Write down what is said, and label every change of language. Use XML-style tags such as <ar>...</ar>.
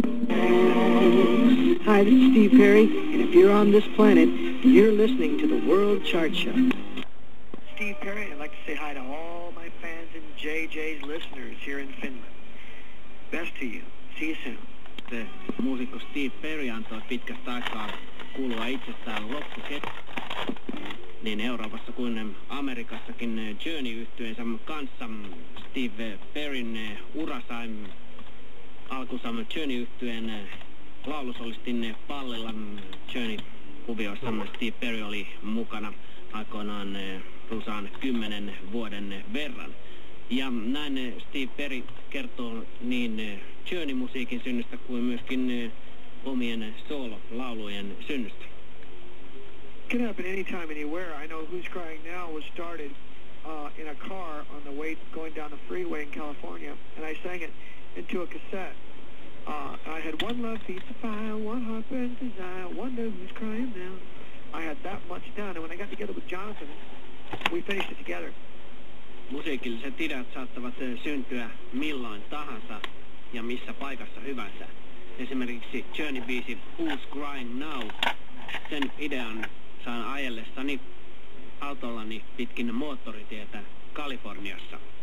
<en>Hi, this is Steve Perry, and if you're on this planet, you're listening to the World Chart Show. Steve Perry, I'd like to say hi to all my fans and JJ's listeners here in Finland. Best to you. See you soon.</en> <fi>The muusikko Steve Perry antoi pitkästä aikaa kuulua itsestään niin Euroopassa kuin Amerikassakin Journey-yhtyeensä kanssa. Steve Perryn ura sai alkunsa Journey-yhtyeen laulusolistin pallilla. Journey-kuvioissa Steve Perry oli mukana aikoinaan runsaan 10 vuoden verran. Ja näin Steve Perry kertoo niin Journey-musiikin synnystä kuin myöskin omien soololaulujen synnystä.</fi> <en>Could happen anytime, anywhere. I know Who's Crying Now was started in a car on the way going down the freeway in California, and I sang it into a cassette. I had one love beats of fire, one heart burns desire, wonder who's crying now. I had that much down, and when I got together with Jonathan, we finished it together.</en> <fi>Musiikilliset ideat saattavat syntyä milloin tahansa ja missä paikassa hyvänsä. Esimerkiksi Journey-biisi Who's Crying Now, sen idean saan ajellessani autollani pitkin moottoritietä Kaliforniassa.</fi>